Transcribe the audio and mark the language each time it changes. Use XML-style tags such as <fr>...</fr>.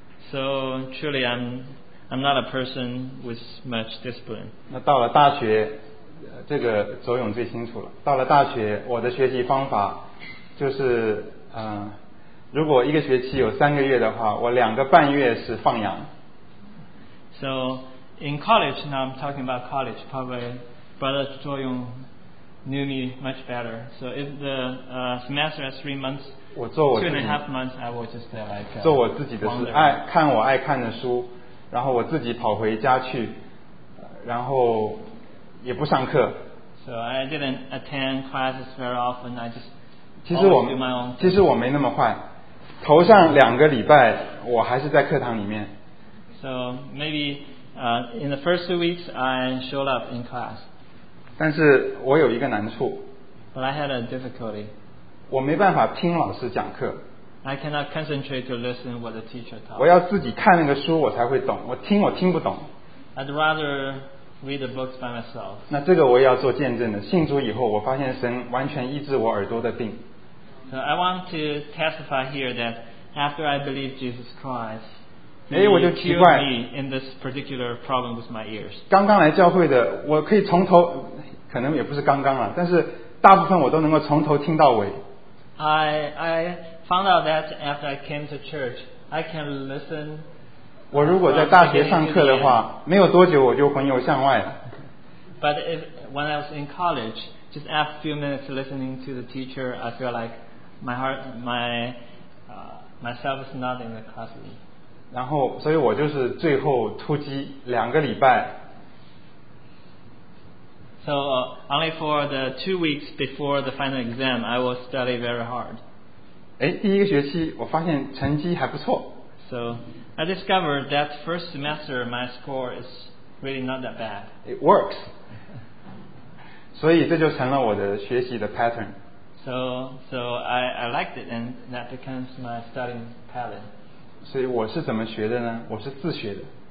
<en>So truly, I'm not a person with much discipline.</en> <zh>那到了大学，这个卓勇最清楚了。到了大学，我的学习方法就是，如果一个学期有三个月的话，我两个半月是放养。</zh> <en>So in college, now I'm talking about college. Probably Brother 卓勇 knew me much better. So if the semester has 3 months.</en> <zh>我做我自己</zh> <en>months, I will just there, like,</en> <zh>做我自己的事，爱看我爱看的书，然后我自己跑回家去，然后也不上课。</zh> <en>So I didn't attend classes very often. I just</en> <zh>其实我没那么坏，头上两个礼拜我还是在课堂里面。</zh> <en>So maybe in the first 2 weeks I showed up in class.</en> <zh>但是我有一个难处。</zh> <en>But I had a difficulty.</en> <zh>我没办法听老师讲课。</zh> <en>I cannot concentrate to listen what the teacher taught.</en> <zh>我要自己看那个书，我才会懂。我听不懂。</zh> <en>I'd rather read the books by myself.</en> <zh>那这个我也要做见证的。信主以后，我发现神完全医治我耳朵的病。</zh> <en>So I want to testify here that after I believe Jesus Christ, he cured me in this particular problem with my ears.</en> <zh>刚刚来教会的，我可以从头，可能也不是刚刚了，但是。大部分我都能够从头听到尾。</zh> <en>I found out that after I came to church, I can listen.</en> <zh>我如果在大学上课的话，没有多久我就魂游向外了。</zh> <en>But if when I was in college, just after a few minutes listening to the teacher, I feel like myself is not in the classroom.</en> <zh>然后，所以我就是最后突击两个礼拜。</zh> <en>So only for the 2 weeks before the final exam, I will study very hard.</en> <zh>哎，第一个学期我发现成绩还不错。</zh> <en>So I discovered that first semester my score is really not that bad. It works.</en> <zh>所以这就成了我的学习的 pattern.</zh> <en>So I liked it, and that becomes my studying pattern.</en> <zh>所以我是怎么学的呢？我是自学的。</zh>